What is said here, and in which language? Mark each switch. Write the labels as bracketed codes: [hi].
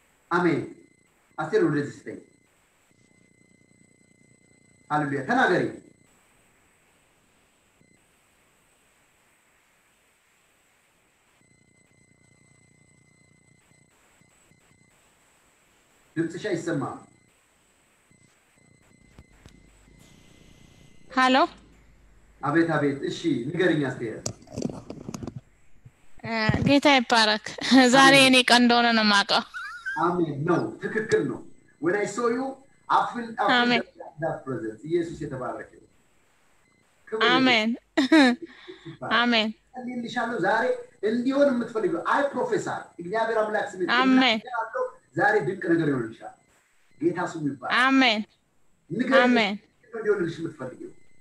[am] አሜን። አስቴር ወደዚህ ስጠኝ። ሃሌሉያ። ተናገሪ። ድምፅሽ አይሰማም። ሃሎ። አቤት አቤት። እሺ ንገሪኝ አስቴር። ጌታ ይባረክ። ዛሬ እኔ ቀን እንደሆነ ነው የማውቀው። [en] አሜን። [am] ነው ትክክል ነው። [en] when i saw you i felt that presence. [am] ኢየሱስ የተባረከ ይሁን። አሜን አሜን። አሜን። ኢንሻአላህ ዛሬ እንዲሆን የምትፈልገው አይ ፕሮፌሰር እግዚአብሔር አምላክ ስም ይባረክ። ዛሬ ድንቅ ነገር ይሆንልሻል። ጌታ ስም ይባረክ። አሜን አሜን። እንዲሆንልሽ የምትፈልገው